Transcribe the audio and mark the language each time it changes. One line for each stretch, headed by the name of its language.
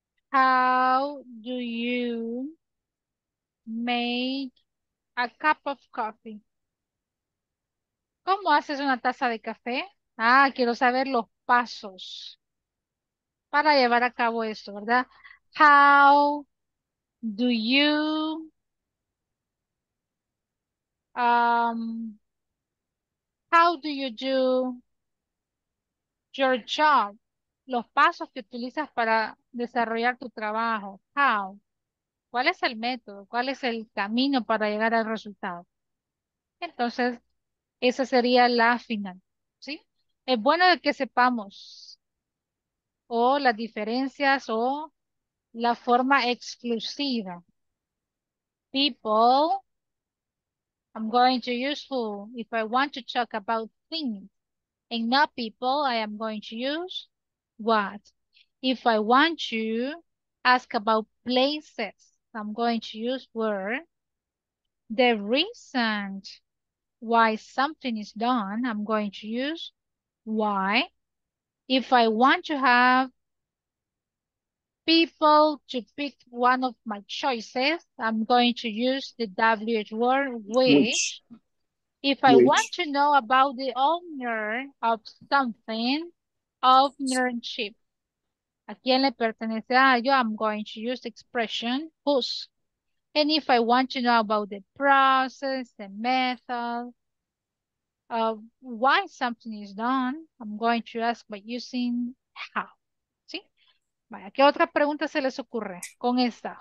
English: How do you make a cup of coffee?
Spanish: ¿Cómo haces una taza de café? Ah, quiero saber los pasos para llevar a cabo esto, ¿verdad?
English: How do you how do you do your job?
Spanish: Los pasos que utilizas para desarrollar tu trabajo.
English: How?
Spanish: ¿Cuál es el método? ¿Cuál es el camino para llegar al resultado? Entonces, esa sería la final, ¿sí? Es bueno de que sepamos o las diferencias o la forma exclusiva.
English: People, I'm going to use who. If I want to talk about things and not people, I am going to use what. If I want to ask about places, I'm going to use where. The reason why something is done, I'm going to use why. If I want to have people to pick one of my choices, I'm going to use the WH word, which. If I want to know about the owner of something, ownership.
Spanish: A quien le pertenece a yo,
English: I'm going to use the expression, whose. And if I want to know about the process, the method, of why something is done, I'm going to ask by using how.
Spanish: Vaya, ¿qué otra pregunta se les ocurre con esta?